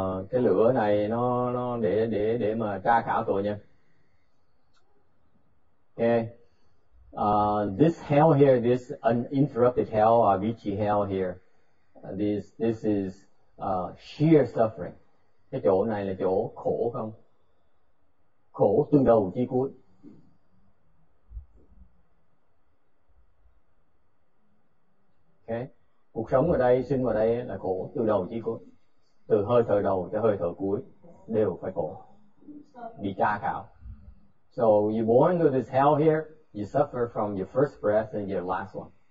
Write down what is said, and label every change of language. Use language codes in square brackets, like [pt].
[vi] Cái lửa này nó để mà tra khảo tội nhân. [en] Okay, this hell here, this uninterrupted hell, avichi hell here, this is sheer suffering. [vi] Cái chỗ này là chỗ khổ không? Khổ từ đầu chí cuối. Okay. Cuộc sống ở đây, sinh ở đây là khổ từ đầu chí cuối. Từ hơi thở đầu tới hơi thở cuối đều phải khổ. Bị tra khảo. [en] So you born into this hell here, you suffer from your first breath and your last one.